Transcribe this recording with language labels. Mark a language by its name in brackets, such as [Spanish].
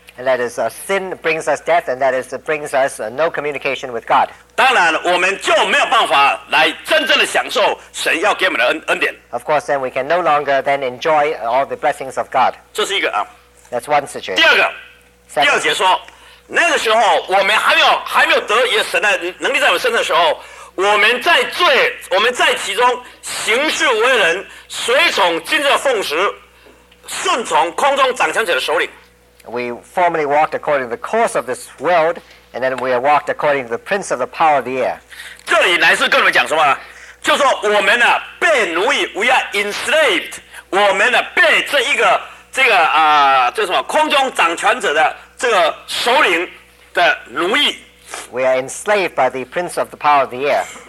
[English] And that is sin brings us death, and that is brings us no communication with God. [Chinese] 当然，我们就没有办法来真正的享受神要给我们的恩典。Of [English] course, then we can no longer then enjoy all the blessings of God. [Chinese] 这是一个啊。 [English] That's one situation. [Chinese] 第二个，第二节说，那个时候我们还没有得以神的能力在我们身上的时候，我们在罪，我们在其中行事为人，随从今日的奉旨，顺从空中掌权者的首领。 [English] We formerly walked according to the course of this world, and then we walked according to the prince of the power of the air. [Chinese] 这里乃是跟我们讲什么呢？就说我们呢被奴役， [English] we are enslaved. [Chinese] 我们呢被这一个这个啊，这什么空中掌权者的这个首领的奴役。 [English] We are enslaved by the prince of the power of the air.